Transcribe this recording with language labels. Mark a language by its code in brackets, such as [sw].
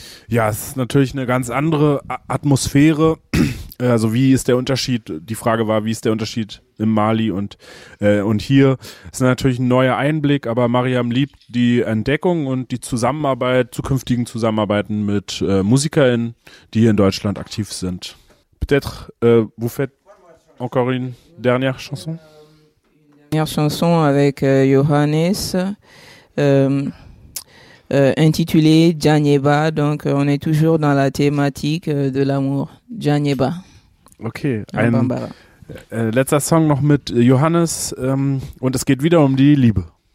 [de] Ja, es ist natürlich eine ganz andere Atmosphäre. Also wie ist der Unterschied? Die Frage war, wie ist der Unterschied im Mali und hier? Es ist natürlich ein neuer Einblick, aber Mariam liebt die Entdeckung und die Zusammenarbeit, zukünftigen Zusammenarbeiten mit MusikerInnen, die hier in Deutschland aktiv sind. [fr] Peut-être, vous faites encore une dernière chanson? Dernière chanson avec Johannes. Intitulé Djaneba, donc on est toujours dans la thématique de l'amour. Djaneba. [de] Ok, ein letzter Song noch mit Johannes und es geht wieder um die Liebe.